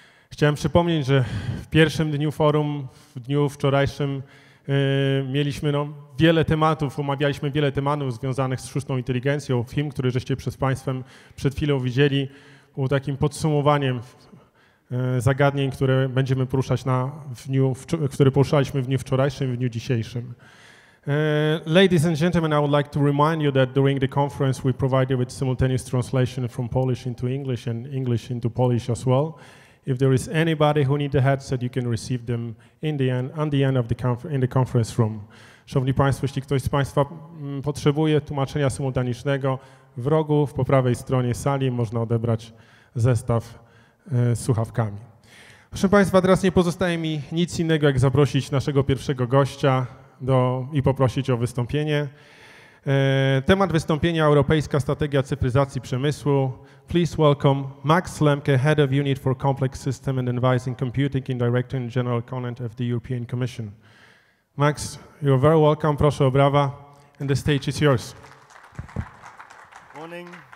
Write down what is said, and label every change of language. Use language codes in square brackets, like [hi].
[pl] Chciałem przypomnieć, że w pierwszym dniu forum, w dniu wczorajszym, mieliśmy omawialiśmy wiele tematów związanych z sztuczną inteligencją. Film, który żeście przed Państwem przed chwilą widzieli, był takim podsumowaniem zagadnień, które będziemy poruszać na które poruszaliśmy w dniu wczorajszym i w dniu dzisiejszym. [en] Ladies and gentlemen, I would like to remind you that during the conference we provided with simultaneous translation from Polish into English and English into Polish as well. If there is anybody who needs a headset, you can receive them in the conference room. [pl] Szanowni Państwo, jeśli ktoś z Państwa potrzebuje tłumaczenia symultanicznego, w rogu, w po prawej stronie sali można odebrać zestaw słuchawkami. Proszę Państwa, teraz nie pozostaje mi nic innego, jak zaprosić naszego pierwszego gościa i poprosić o wystąpienie. Temat wystąpienia: Europejska Strategia Cyfryzacji Przemysłu. [en] Please welcome Max Lemke, Head of Unit for Complex System and Advising Computing in Director and General Content of the European Commission. Max, you're very welcome. [pl] Proszę o brawa. [en] And the stage is yours. Morning.